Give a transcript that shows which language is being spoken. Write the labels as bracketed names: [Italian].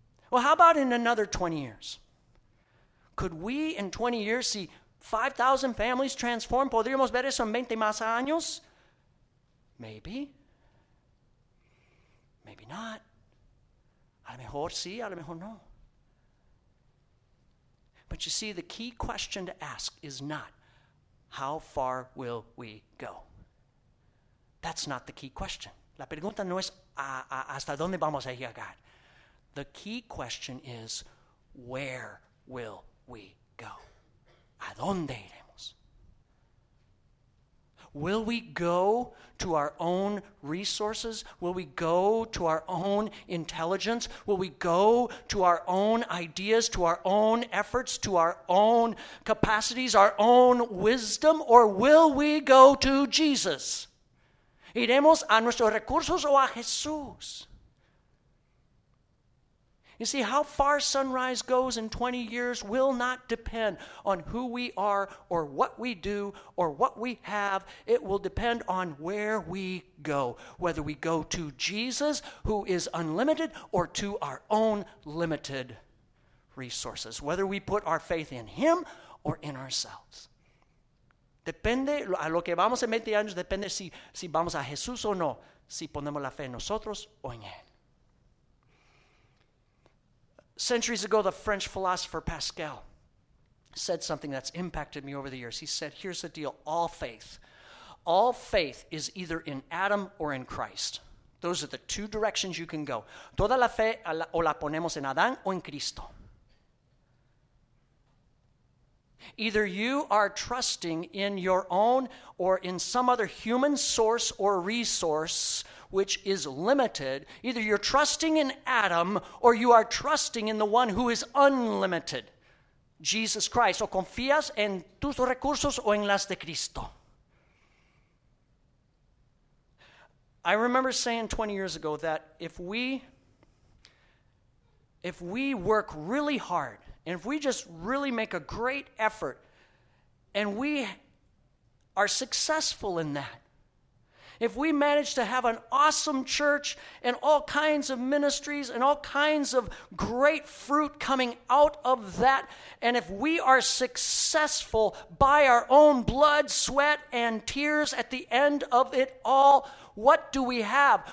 [English] Well, how about in another 20 years? Could we in 20 years see 5,000 families transformed? [Spanish] ¿Podríamos ver eso en 20 más años? [English] Maybe. Maybe not. [Spanish] A lo mejor sí, a lo mejor no. [English] But you see, the key question to ask is not, how far will we go? That's not the key question. [Spanish] La pregunta no es, ¿hasta dónde vamos a llegar? [English] The key question is, where will we go? [Spanish] ¿A dónde iremos? [English] Will we go to our own resources? Will we go to our own intelligence? Will we go to our own ideas, to our own efforts, to our own capacities, our own wisdom? Or will we go to Jesus? [Spanish] ¿Iremos a nuestros recursos o a Jesús? [English] You see, how far Sunrise goes in 20 years will not depend on who we are or what we do or what we have. It will depend on where we go, whether we go to Jesus, who is unlimited, or to our own limited resources, whether we put our faith in him or in ourselves. [Spanish] Depende a lo que vamos en 20 años, depende si vamos a Jesús o no, si ponemos la fe en nosotros o en él. [English] Centuries ago, the French philosopher Pascal said something that's impacted me over the years. He said, here's the deal, all faith is either in Adam or in Christ. Those are the two directions you can go. [Spanish] Toda la fe o la ponemos en Adán o en Cristo. [English] Either you are trusting in your own or in some other human source or resource which is limited. Either you're trusting in Adam or you are trusting in the one who is unlimited, Jesus Christ. [Spanish] O confías en tus recursos o en las de Cristo. [English] I remember saying 20 years ago that if we work really hard, and if we just really make a great effort, and we are successful in that, if we manage to have an awesome church and all kinds of ministries and all kinds of great fruit coming out of that, and if we are successful by our own blood, sweat, and tears at the end of it all, what do we have?